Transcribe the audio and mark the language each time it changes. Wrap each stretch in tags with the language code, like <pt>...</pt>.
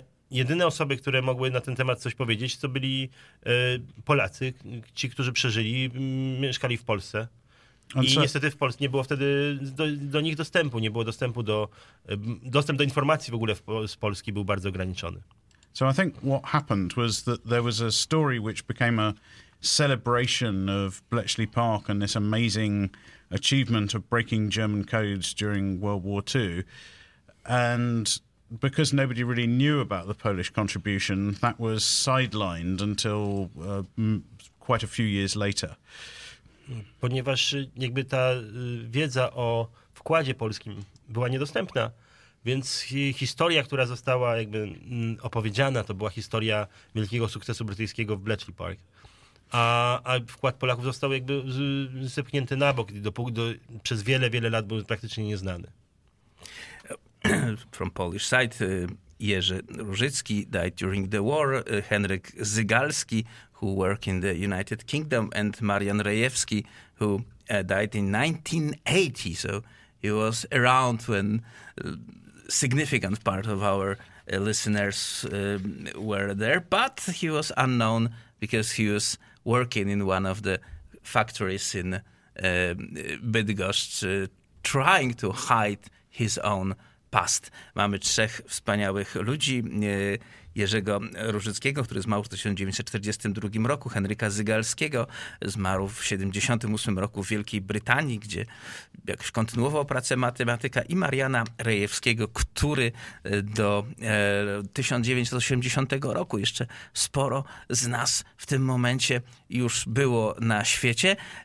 <pl>Jedyne osoby, które mogły na ten temat coś powiedzieć, to byli Polacy, ci, którzy przeżyli, mieszkali w Polsce.</pl> <en>And I</en> <pl>niestety w Polsce nie było wtedy do nich dostępu, nie było dostępu do... Dostęp do informacji w ogóle z Polski był bardzo ograniczony.</pl> <en>So I think what happened was that there was a story which became a celebration of Bletchley Park and this amazing achievement of breaking German codes during World War II. And because nobody really knew about the Polish contribution, that was sidelined until quite a few years later.</en> <pl>Ponieważ jakby ta wiedza o wkładzie polskim była niedostępna, więc historia, która została jakby opowiedziana, to była historia wielkiego sukcesu brytyjskiego w Bletchley Park. A wkład Polaków został jakby zepchnięty na bok, przez wiele, wiele lat był praktycznie nieznany.</pl> <en>From Polish side, Jerzy Różycki died during the war, Henryk Zygalski, who worked in the United Kingdom, and Marian Rejewski, who died in 1980. So he was around when significant part of our listeners were there, but he was unknown because he was working in one of the factories in Bydgoszcz, trying to hide his own past.</en> <pl>Mamy trzech wspaniałych ludzi. Jerzego Różyckiego, który zmarł w 1942 roku, Henryka Zygalskiego, zmarł w 1978 roku w Wielkiej Brytanii, gdzie jakoś kontynuował pracę matematyka, i Mariana Rejewskiego, który do 1980 roku, jeszcze sporo z nas w tym momencie już było na świecie.</pl>